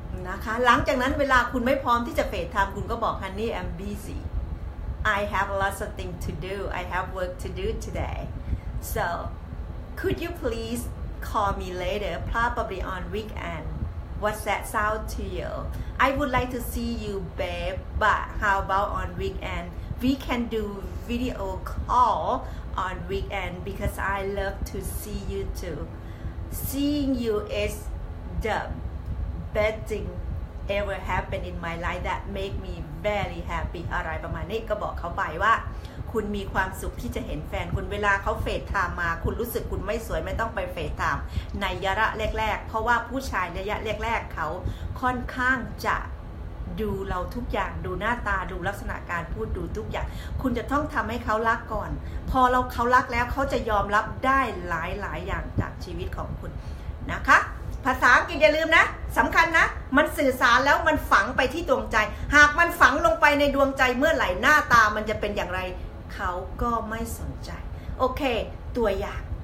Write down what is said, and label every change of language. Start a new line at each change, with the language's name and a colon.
Thai: นะคะหลังจากนั้นเวลาคุณไม่พร้อมที่จะเฟดทำคุณก็บอก
English: Honey I'm busy I have lots of things to do I have work to do today So could you please call me later probably on weekend What's that sound to you I would like to see you babe but how about on weekendWe can do video call on weekend because I love to see you too. Seeing you is the best thing ever happened in my life that make me very happy.
Thai: อะไรประมาณนี้ก็บอกเขาไปว่าคุณมีความสุขที่จะเห็นแฟนคุณเวลาเขาเฟดไทม์มาคุณรู้สึกคุณไม่สวยไม่ต้องไปเฟดไทม์ในระยะแรกเพราะว่าผู้ชายระยะแรกเขาค่อนข้างจะ ดูเราทุกอย่างดูหน้าตาดูลักษณะการพูดดูทุกอย่างคุณจะต้องทำให้เขารักก่อนพอเราเขารักแล้วเขาจะยอมรับได้หลายหลายอย่างจากชีวิตของคุณนะคะภาษาอังกฤษอย่าลืมนะสำคัญนะมันสื่อสารแล้วมันฝังไปที่ดวงใจหากมันฝังลงไปในดวงใจเมื่อไหร่หน้าตามันจะเป็นอย่างไรเขาก็ไม่สนใจโอเคตัวอย่าง